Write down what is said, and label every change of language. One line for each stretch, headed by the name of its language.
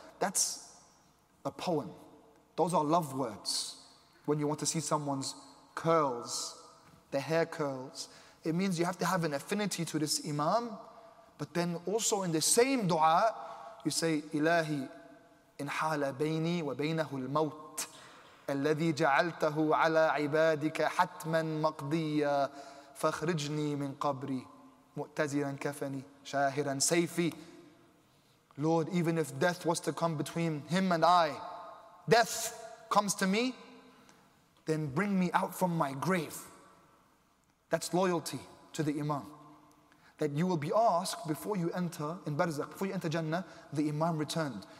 English: That's a poem. Those are love words. When you want to see someone's curls, the hair curls, it means you have to have an affinity to this imam. But then also in the same dua, you say,
Arabic: Ilahi, in hala bayni wa baynahu al-mawt. الذي جعلته على عبادك حتما مقضيا فاخرجني من قبري مؤتزلا كفني شاهرا سيفي.
English: Lord, even if death was to come between him and I, death comes to me, then bring me out from my grave. That's loyalty to the imam. That you will be asked before you enter in Barzakh, before you enter Jannah, the imam returned.